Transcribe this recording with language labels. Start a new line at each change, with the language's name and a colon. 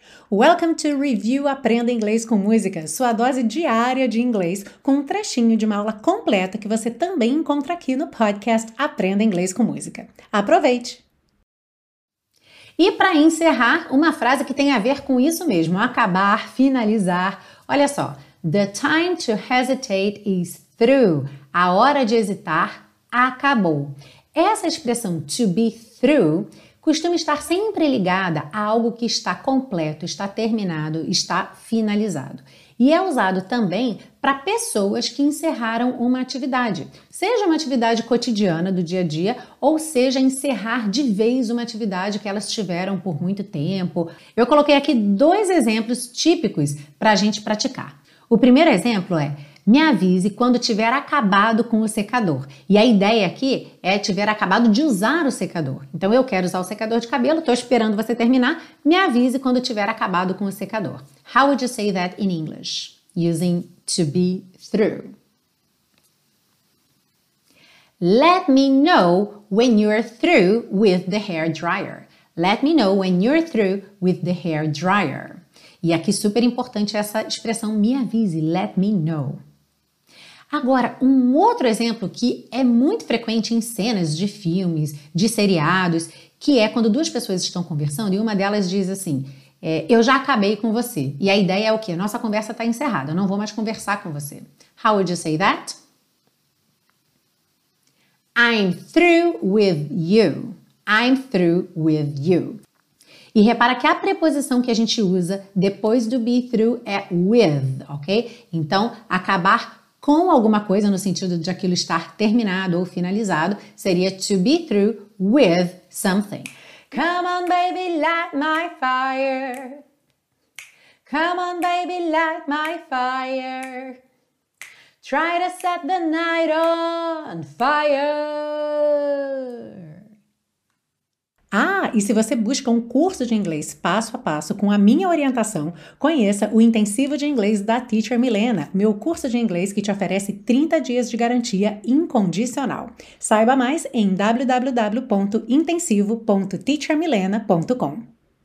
English: Welcome to
Portuguese: Review Aprenda Inglês com Música, sua dose diária de inglês, com um trechinho de uma aula completa que você também encontra aqui no podcast Aprenda Inglês com Música. Aproveite! E para encerrar, uma frase que tem a ver com isso mesmo, acabar, finalizar. Olha só,
English: the time to hesitate is through.
Portuguese: A hora de hesitar acabou. Essa expressão
English: to be through
Portuguese: costuma estar sempre ligada a algo que está completo, está terminado, está finalizado. E é usado também para pessoas que encerraram uma atividade, seja uma atividade cotidiana do dia a dia, ou seja, encerrar de vez uma atividade que elas tiveram por muito tempo. Eu coloquei aqui dois exemplos típicos para a gente praticar. O primeiro exemplo é: me avise quando tiver acabado com o secador. E a ideia aqui é tiver acabado de usar o secador. Então eu quero usar o secador de cabelo, estou esperando você terminar. Me avise quando tiver acabado com o secador.
English: How would you say that in English? Using to be through. Let me know when you're through with the hair dryer. Let me know when you're through with the hair dryer.
Portuguese: E aqui super importante essa expressão, me avise,
English: let me know.
Portuguese: Agora, um outro exemplo que é muito frequente em cenas de filmes, de seriados, que é quando duas pessoas estão conversando e uma delas diz assim, eu já acabei com você. E a ideia é o quê? Nossa conversa está encerrada, eu não vou mais conversar com você.
English: How would you say that? I'm through with you. I'm through with you.
Portuguese: E repara que a preposição que a gente usa depois do be through é with, ok? Então, acabar com alguma coisa no sentido de aquilo estar terminado ou finalizado, seria
English: to be through with something. Come on, baby, light my fire. Come on, baby, light my fire. Try to set the night on fire.
Portuguese: Ah, e se você busca um curso de inglês passo a passo com a minha orientação, conheça o Intensivo de Inglês da Teacher Milena, meu curso de inglês que te oferece 30 dias de garantia incondicional. Saiba mais em www.intensivo.teachermilena.com.